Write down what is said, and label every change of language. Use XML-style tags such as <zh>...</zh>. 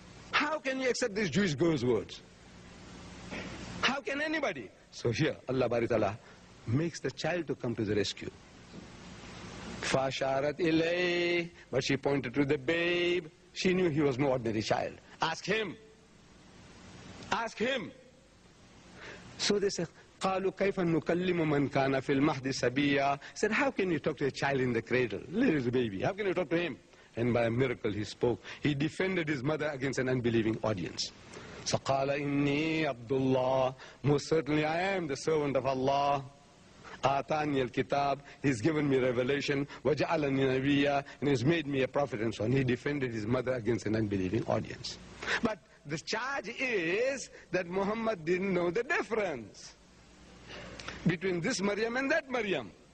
<en>How can you accept this Jewish girl's words? How can anybody? So here, Allah Bari Ta'ala makes the child to come to the rescue.</en> <ar>Fasharat ilay,</ar> <en>but she pointed to the babe. She knew he was no ordinary child. Ask him. Ask him. So they said,</en> <ar>قالوا كيف نكلم من كان في المهد سبيا.</ar> <en>Said, how can you talk to a child in the cradle? Little baby, how can you talk to him? And by a miracle he spoke. He defended his mother against an unbelieving audience. So</en> <ar>قال إني عبد الله.</ar> <en>Most certainly I am the servant of Allah.</en> <ar>آتاني الكتاب.</ar> <en>He's given me revelation.</en> <ar>وجعلني نبيا.</ar> <en>And he's made me a prophet and so on. He defended his mother against an unbelieving audience. But the charge is that Muhammad didn't know the difference between this Maryam and that Maryam.</en>